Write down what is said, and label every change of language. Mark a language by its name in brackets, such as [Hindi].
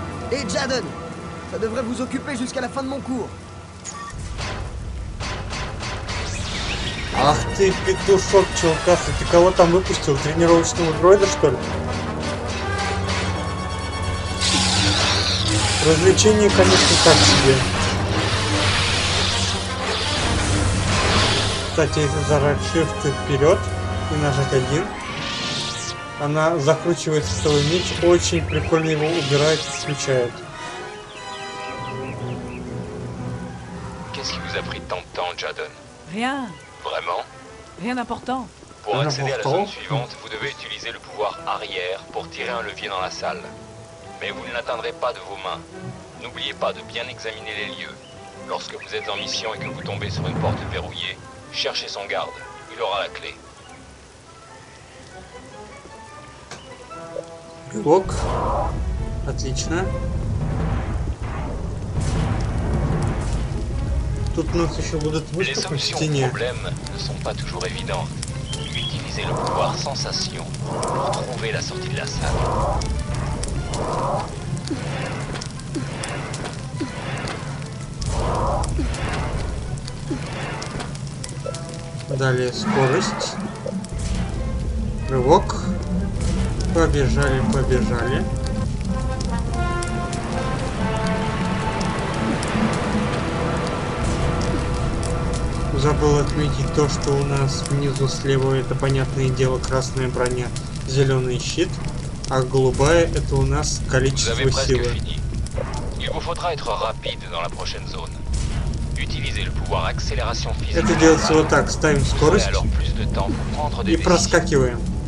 [French] Эй, Джаден, ça devrait vous occuper jusqu'à la fin de mon cours. [Russian] Ах ты, петушок, чувак, ты кого там выпустил? Тренировочного дроида, что ли? Развлечение, конечно, так себе. Кстати, если зажать Shift вперед и нажать 1, она закручивает световой меч, очень прикольно его убирает и включает. [French] Qu'est-ce qui vous a pris tant de temps, Jadon? Rien. Vraiment? Rien d'important. Pour accéder à la zone suivante, vous devez utiliser le pouvoir arrière pour tirer un levier dans la salle. Mais vous ne l'atteindrez pas de vos mains. N'oubliez pas de bien examiner les lieux. Lorsque vous êtes en mission et que vous tombez sur une porte verrouillée, cherchez son garde. Il aura la clé. [Russian] Ок, отлично. Тут нас еще будут выступать в проблемы не [French] sont pas toujours évidents. Utilisez le pouvoir sensation pour trouver la sortie de la salle. [Russian] Далее скорость. Рывок. Побежали, побежали. Забыл отметить то, что у нас внизу слева это, понятное дело, красная броня, зеленый щит, а голубая это у нас количество силы. [French] Il vous faudra être rapide dans la prochaine zone. Utilisez le pouvoir accélération physique. [Russian] Это делается вот так, ставим скорость и проскакиваем.